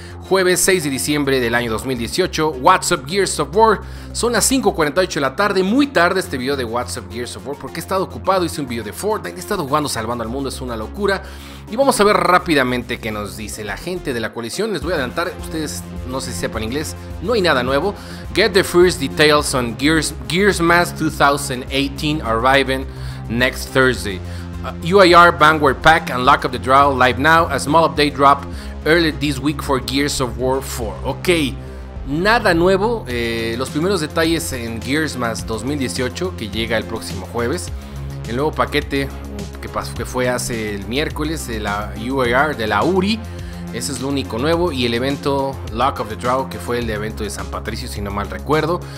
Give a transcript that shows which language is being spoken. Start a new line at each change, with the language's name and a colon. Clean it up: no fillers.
Spanish: Jueves 6 de diciembre del año 2018, What's Up Gears of War, son las 5:48 de la tarde, muy tarde este video de What's Up Gears of War, porque he estado ocupado, hice un video de Fortnite, he estado jugando Salvando al Mundo, es una locura, y vamos a ver rápidamente qué nos dice la gente de la coalición. Les voy a adelantar, ustedes no sé si sepan inglés, no hay nada nuevo.
English: Get the first details on Gears Mass 2018 arriving next Thursday. UIR Vanguard Pack and Lock of the Draw live now, a small update drop early this week for Gears of War 4.
Spanish: Ok, nada nuevo. Los primeros detalles en Gears Mass 2018, que llega el próximo jueves. El nuevo paquete que fue hace el miércoles, de la UAR, de la URI. Ese es lo único nuevo. Y el evento Lock of the Draw, que fue el de evento de San Patricio, si no mal recuerdo.